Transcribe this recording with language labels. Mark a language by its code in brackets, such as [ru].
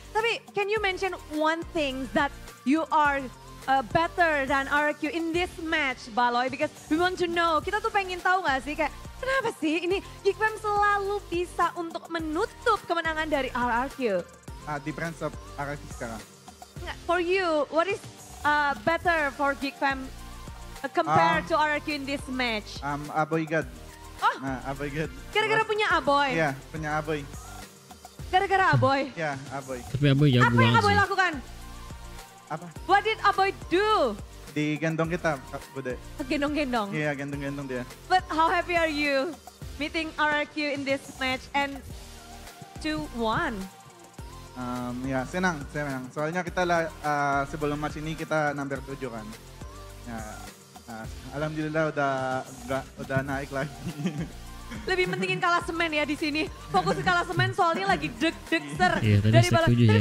[id] Tapi [en] can you mention one thing that you are better than RRQ in this match, Baloy? Because we want to know, [id] kita tuh pengen tahu gak sih kayak, kenapa sih ini Geek Fam selalu bisa untuk menutup kemenangan dari RRQ? [en] Depends of RRQ [id] sekarang. [en] For you, what is better for Geek Fam compared to RRQ in this match? Aboy God. Oh, Aboy God. [id] Gara-gara punya Aboy? Iya, [en] yeah, [id] punya Aboy. Gara-gara Aboy? Iya, [en] yeah, [id] Aboy. Tapi Aboy jauh banget. Apa yang Aboy lakukan? Apa? [en] What did Aboy do? [id] Digendong kita, Bude. Gendong-gendong? Iya, [en] yeah, [id] gendong-gendong dia. [en] But how happy are you meeting RRQ in this match and 2-1? [id] Ya senang. Soalnya kita sebelum match ini kita number 7 kan. Ya, alhamdulillah udah naik lagi. Lebih pentingin kalah semen ya di sini. Fokus ke kalah semen soalnya lagi deg-deg ser. Iya, dari Baloy. Tapi